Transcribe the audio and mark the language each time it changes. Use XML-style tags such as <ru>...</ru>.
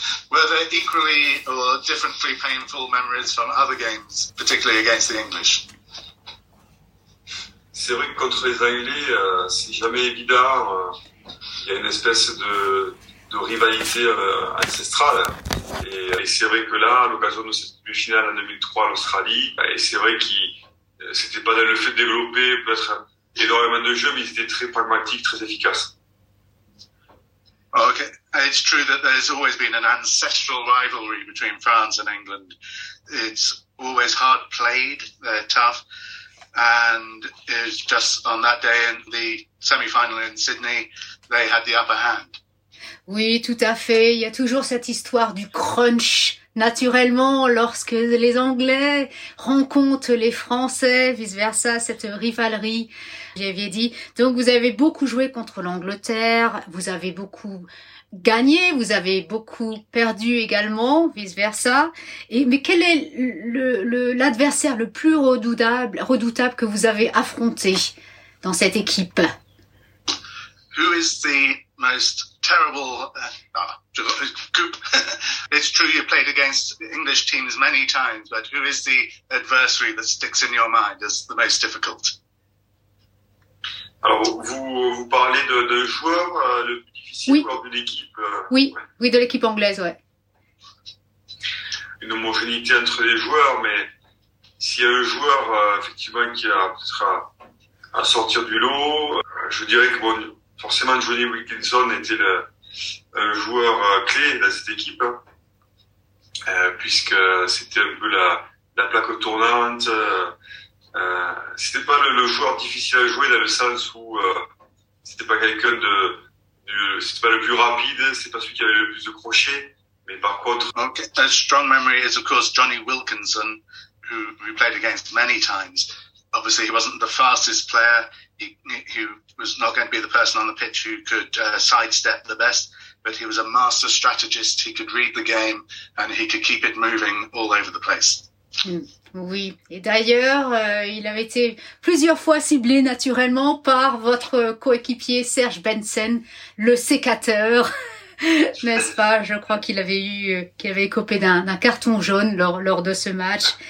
<en>Were they equally or differently painful memories from other games, particularly against the English?</en> <fr>C'est vrai que contre les Anglais, c'est jamais évident. Il y a une espèce de rivalité ancestrale. Et c'est vrai que là, à l'occasion de cette demi-finale en 2003 en Australie, et c'est vrai que c'était pas le fait de développer peut-être énormément de jeux, mais ils étaient très pragmatiques, très efficaces.</fr> <en>Okay, it's true that there's always been an ancestral rivalry between France and England. It's always hard played, they're tough, and it's just on that day in the semi-final in Sydney, they had the upper hand.</en> <fr>Oui, tout à fait. Il y a toujours cette histoire du crunch. Naturellement, lorsque les Anglais rencontrent les Français, vice-versa, cette rivalerie, j'avais dit. Donc, vous avez beaucoup joué contre l'Angleterre. Vous avez beaucoup gagné. Vous avez beaucoup perdu également, vice-versa. Mais quel est l'adversaire le plus redoutable que vous avez affronté dans cette équipe?</fr> <en>Who is the most terrible group? It's true you played against English teams many times, but who is the adversary that sticks in your mind as the most difficult?</en> <fr>Alors, vous parlez de joueurs le plus difficile, oui. Lors de l'équipe. Oui, ouais. Oui, de l'équipe anglaise, ouais. Une homogénéité entre les joueurs, mais s'il y a un joueur effectivement qui a peut-être à sortir du lot, je dirais que bon. Forcément, Johnny Wilkinson était un joueur clé dans cette équipe, puisque c'était un peu la plaque tournante. C'était pas le joueur difficile à jouer dans le sens où c'était pas quelqu'un de c'était pas le plus rapide, c'est pas celui qui avait le plus de crochets, mais par contre.</fr> <en>Okay. A strong memory is of course Johnny Wilkinson, who we played against many times. Obviously, he wasn't the fastest player. He was not going to be the person on the pitch who could sidestep the best, but he was a master strategist. He could read the game and he could keep it moving all over the place.</en> <fr>Oui, et d'ailleurs, il avait été plusieurs fois ciblé naturellement par votre coéquipier Serge Benson, le sécateur, n'est-ce pas? Je crois qu'il avait eu, qu'il avait écopé d'un carton jaune lors de ce match.</fr>